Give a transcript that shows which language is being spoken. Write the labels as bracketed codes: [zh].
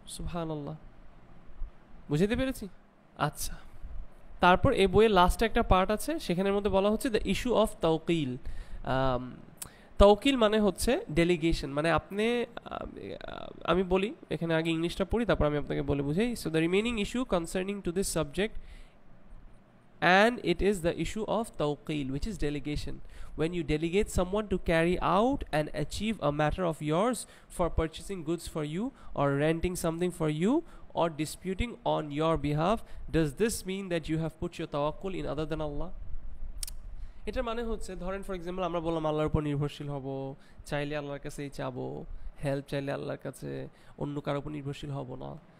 [bn] সুবহানাল্লাহ, বুঝতে পেরেছি। আচ্ছা, তারপর এই বইয়ের লাস্ট একটা পার্ট আছে, সেখানের মধ্যে বলা হচ্ছে [en] The issue of তাওকিল। [bn] তাওকিল মানে হচ্ছে ডেলিগেশন, মানে আপনি, আমি বলি এখানে, আগে ইংলিশটা পড়ি তারপর আমি আপনাকে বলে বুঝাই। [en] So the remaining issue concerning to this subject and it is the issue of তাওকিল, which is delegation. When you delegate someone to carry out and achieve a matter of yours, for purchasing goods for you or renting something for you or disputing on your behalf, does this mean that you have put your tawakkul in other than Allah? [bn] এটার মানে হচ্ছে, ধরেন [en] for example [bn] আমরা বললাম আল্লাহর উপর নির্ভরশীল হব, চাইলে আল্লাহর কাছে যাবো, হেল্প চাইলে আল্লাহর কাছে, অন্য কারোর উপর নির্ভরশীল হব না।